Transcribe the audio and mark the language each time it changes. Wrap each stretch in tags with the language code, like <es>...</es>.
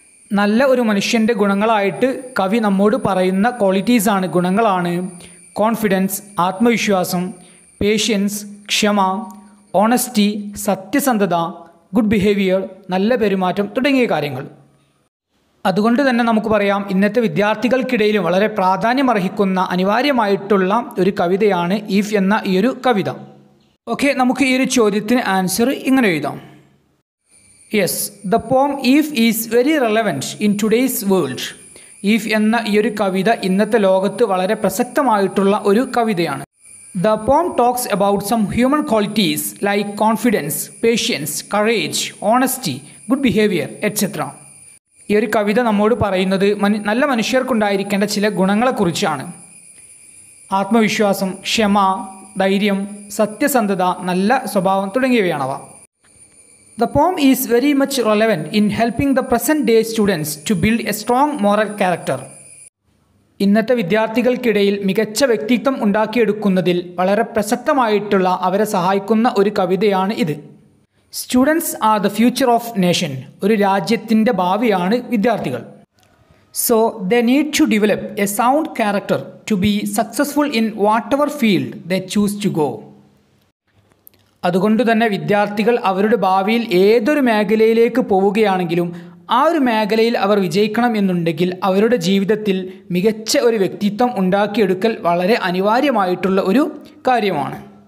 <ml>നല്ല ഒരു മനുഷ്യൻ്റെ ഗുണങ്ങളായിട്ട് കവി നമ്മോട് പറയുന്ന ക്വാളിറ്റീസാണ്, ഗുണങ്ങളാണ് കോൺഫിഡൻസ്, ആത്മവിശ്വാസം, പേഷ്യൻസ്, ക്ഷമ, ഓണസ്റ്റി, സത്യസന്ധത, ഗുഡ് ബിഹേവിയർ, നല്ല പെരുമാറ്റം തുടങ്ങിയ കാര്യങ്ങൾ. അതുകൊണ്ട് തന്നെ നമുക്ക് പറയാം ഇന്നത്തെ വിദ്യാർത്ഥികൾക്കിടയിലും വളരെ പ്രാധാന്യമർഹിക്കുന്ന അനിവാര്യമായിട്ടുള്ള ഒരു കവിതയാണ് ഈഫ് എന്ന ഈ ഒരു കവിത. ഓക്കെ, നമുക്ക് ഈ ഒരു ചോദ്യത്തിന് ആൻസർ ഇങ്ങനെ എഴുതാം.</ml> <en>Yes, the poem If is very relevant in today's world.</en> <ml>If എന്ന ഈ ഒരു കവിത ഇന്നത്തെ ലോകത്ത് വളരെ പ്രസക്തമായിട്ടുള്ള ഒരു കവിതയാണ്.</ml> <en>The poem talks about some human qualities like confidence, patience, courage, honesty, good behavior, etc.</en> <ml>ഈ ഒരു കവിത നമ്മോട് പറയുന്നത് നല്ല മനുഷ്യർക്കുണ്ടായിരിക്കേണ്ട ചില ഗുണങ്ങളെക്കുറിച്ചാണ്. ആത്മവിശ്വാസം, ക്ഷമ, ധൈര്യം, സത്യസന്ധത, നല്ല സ്വഭാവം തുടങ്ങിയവയാണവ.</ml> <en>The poem is very much relevant in helping the present day students to build a strong moral character.</en> <ml>ഇന്നത്തെ വിദ്യാർത്ഥികൾക്കിടയിൽ മികച്ച വ്യക്തിത്വം ഉണ്ടാക്കിയെടുക്കുന്നതിൽ വളരെ പ്രസക്തമായിട്ടുള്ള അവരെ സഹായിക്കുന്ന ഒരു കവിതയാണ് ഇത്.</ml> <en>Students are the future of nation.</en> <ml>ഒരു രാജ്യത്തിൻ്റെ ഭാവിയാണ് വിദ്യാർത്ഥികൾ.</ml> <en>So they need to develop a sound character to be successful in whatever field they choose to go.</en> <ml>അതുകൊണ്ട് തന്നെ വിദ്യാർത്ഥികൾ അവരുടെ ഭാവിയിൽ ഏതൊരു മേഖലയിലേക്ക് പോവുകയാണെങ്കിലും ആ ഒരു മേഖലയിൽ അവർ വിജയിക്കണം എന്നുണ്ടെങ്കിൽ അവരുടെ ജീവിതത്തിൽ മികച്ച ഒരു വ്യക്തിത്വം ഉണ്ടാക്കിയെടുക്കൽ വളരെ അനിവാര്യമായിട്ടുള്ള ഒരു കാര്യമാണ്.</ml>